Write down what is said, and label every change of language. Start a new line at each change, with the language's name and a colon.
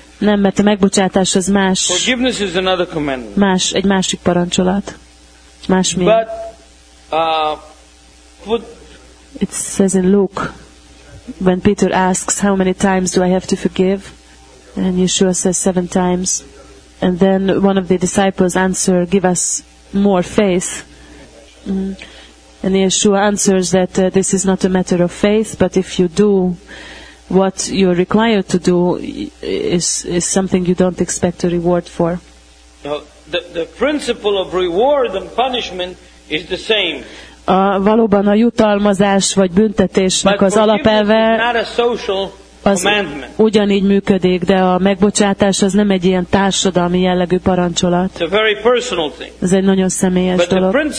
Hungarian: Nem, mert a megbocsátás az más.
English: Forgiveness is another commandment.
Hungarian: Más, egy másik parancsolat. Más mi?
English: But put. It says in Luke, when Peter asks, how many times do I have to forgive? And Yeshua says, 7 times. And then one of the disciples answer, give us more faith. And Yeshua answers that this is not a matter of faith, but if you do what you're required to do, is something you don't expect a reward for. Now, the principle of reward and punishment is the same.
Hungarian: A, valóban a jutalmazás vagy büntetésnek az alapelve az ugyanígy működik, de a megbocsátás az nem egy ilyen társadalmi jellegű parancsolat. Ez egy nagyon személyes dolog.